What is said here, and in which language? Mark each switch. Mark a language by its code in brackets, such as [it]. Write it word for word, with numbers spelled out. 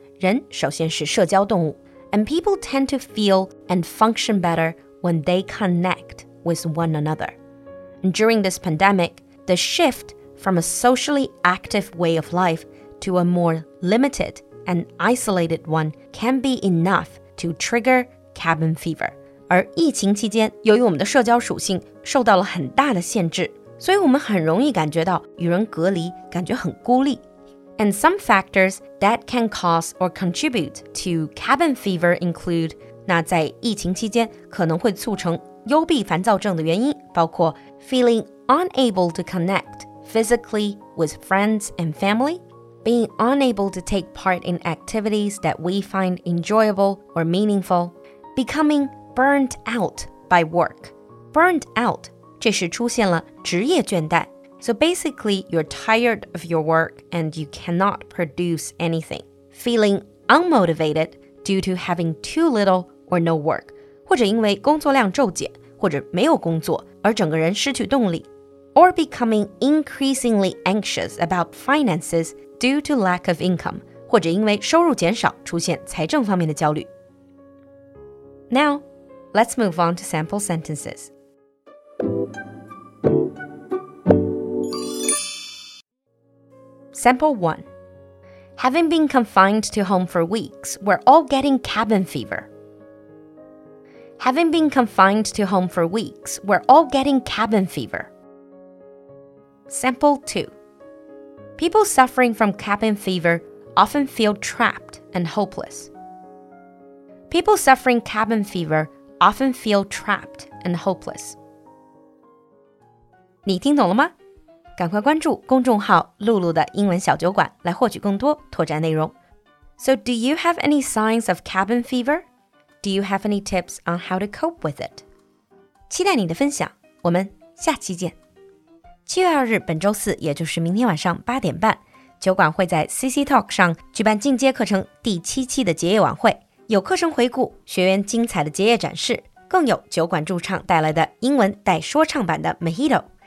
[zh] 人首先是社交动物 [en] and people tend to feel and function better when they connect with one another. And during this pandemic, the shift from a socially active way of life to a more limited and isolated one can be enough to trigger cabin fever. [zh] 而疫情期间，由于我们的社交属性受到了很大的限制，所以我们很容易感觉到与人隔离，感觉很孤立。 [en] And some factors that can cause or contribute to cabin fever include [zh] 那在疫情期间可能会促成幽闭烦躁症的原因，包括 [en] feeling unable to connect physically with friends and family, being unable to take part in activities that we find enjoyable or meaningful, becoming burnt out by work. [zh] Burnt out, 这是出现了职业倦怠。 [en] So basically, you're tired of your work and you cannot produce anything. Feeling unmotivated due to having too little or no work, [zh] 或者因为工作量骤减或者没有工作而整个人失去动力 [en] or becoming increasingly anxious about finances due to lack of income, [zh] 或者因为收入减少出现财政方面的焦虑。 [en] Now, let's move on to sample sentences. Sample one. Having been confined to home for weeks, we're all getting cabin fever. Having been confined to home for weeks, we're all getting cabin fever. Sample two. People suffering from cabin fever often feel trapped and hopeless. People suffering cabin fever often feel trapped and hopeless. [zh] 你听懂了吗？赶快关注公众号露露的英文小酒馆来获取更多拓展内容。 [en] So do you have any signs of cabin fever? Do you have any tips on how to cope with it? [zh] 期待你的分享，我们下期见。七月二日本周四，也就是明天晚上八点半，酒馆会在 C C Talk 上举办进阶课程第七期的结业晚会。有课程回顾，学员精彩的结业展示，更有酒馆驻唱带来的英文带说唱版的 Mojito。